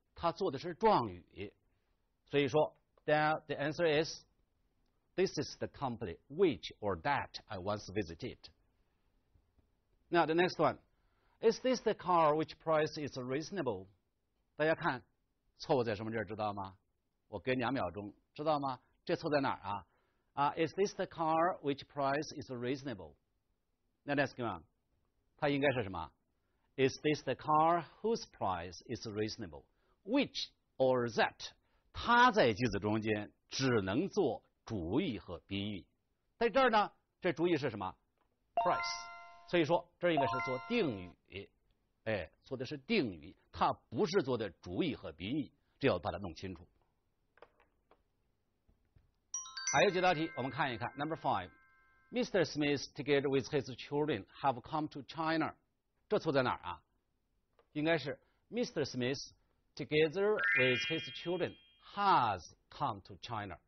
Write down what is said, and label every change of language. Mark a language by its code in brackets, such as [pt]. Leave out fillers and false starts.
[en] 它做的是状语，所以说 the answer is this is the company which or that I once visited. Now the next one, is this the car which price is reasonable? [zh] 大家看，错误在什么地儿知道吗？我给两秒钟，知道吗？这错在哪儿啊？ [en] is this the car which price is reasonable? Now let's go on. 它应该是什么？ Is this the car whose price is reasonable? Which or that? [zh] 它在句子中间只能做主语和宾语。在这儿呢，这主语是什么？ [en] Price。 [zh] 所以说这应该是做定语。哎，做的是定语，它不是做的主语和宾语，这要把它弄清楚。还有几道题，我们看一看。 [en] Number five, Mr. Smith together with his children have come to China. [zh] 这错在哪儿啊？应该是 Mr. [en] Smith together with his children has come to China.